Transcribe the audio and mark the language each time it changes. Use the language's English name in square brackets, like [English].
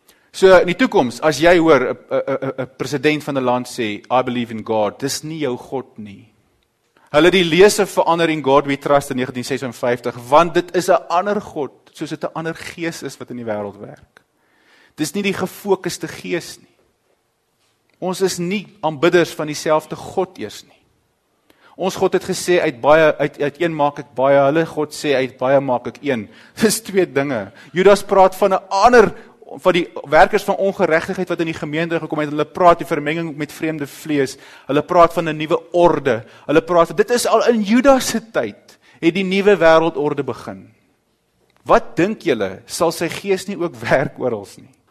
[Afrikaans] So in die toekoms, as jy hoor 'n president van 'n land sê, [English] I believe in God, [Afrikaans] dis nie jou God nie. Hulle die lese verander in [English] God we trust [Afrikaans] in 1956, want dit is 'n ander God, soos dit 'n ander gees is wat in die wêreld werk. Dis nie die gefokuste gees nie. Ons is nie aanbidders van dieselfde God eers nie. Ons God het gesê, uit een maak ek baie, hulle God sê, uit baie maak ek een. Dis twee dinge. Judas praat van 'n ander, van die werkers van ongeregtigheid wat in die gemeente gekom het, hulle praat die vermenging met vreemde vlees, hulle praat van 'n nuwe orde, hulle praat, dit is al in Judas se tyd, het die nuwe wêreldorde begin. Wat dink julle, sal sy gees nie ook werk orals nie?